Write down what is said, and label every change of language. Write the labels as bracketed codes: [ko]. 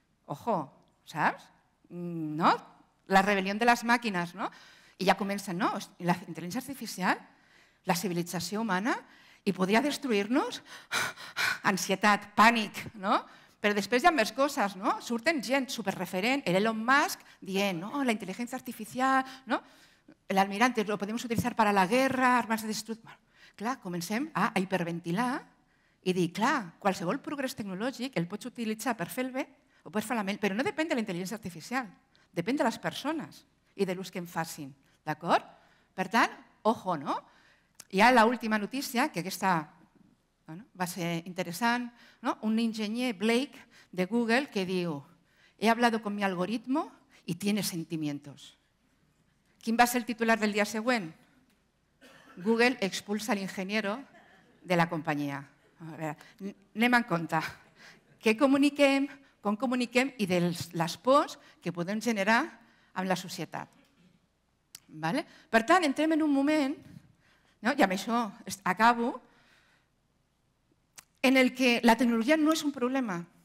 [ca] Ojo, saps? No? La rebel·lió de les màquines, no? I ja comença, no? La intel·ligència artificial, la civilització humana, i podria destruir-nos? Ansietat, pànic, no? Però després hi ha més coses, no? Surten gent superreferent, Elon Musk, dient, no, la intel·ligència artificial, no? [es] L'almirante, lo podemos utilizar para la guerra, armas de destrucción... [ca] Bueno, clar, comencem a hiperventilar i dir, clar, qualsevol progrés tecnològic el pots utilitzar per fer el bé o per fer la mel, però no depèn de la intel·ligència artificial, depèn de les persones i de l'ús que en facin, d'acord? Per tant, ojo, no? Hi ha l'última notícia, que aquesta bueno, va ser interessant, no? Un enginyer, Blake, de Google, que diu, [es] he hablado con mi algoritmo y tiene sentimientos. ¿Quién va a ser el titular del día siguiente? Google expulsa al ingeniero de la compañía. [ca] Anem en compte. Què comuniquem, com comuniquem i de les pors que podem generar amb la societat. ¿Vale? Per tant, entrem en un moment, no? I amb això acabo, en el que la tecnologia no és un problema.